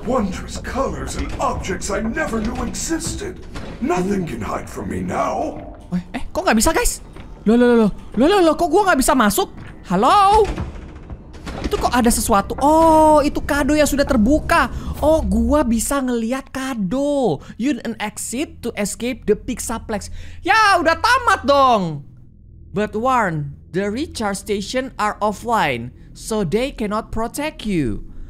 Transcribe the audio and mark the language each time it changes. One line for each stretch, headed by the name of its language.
English: There are wondrous colors and objects I never knew existed. Nothing can hide from me now.
Indonesian: Kok nggak bisa guys? Lo, kok gua nggak bisa masuk? Halo? Itu kok ada sesuatu? Oh, itu kado yang sudah terbuka. Oh, gua bisa ngelihat kado.
English: You need an exit to escape the pizzaplex.
Indonesian: Ya, udah tamat dong.
English: But warn, the recharge station are offline, so they cannot protect you.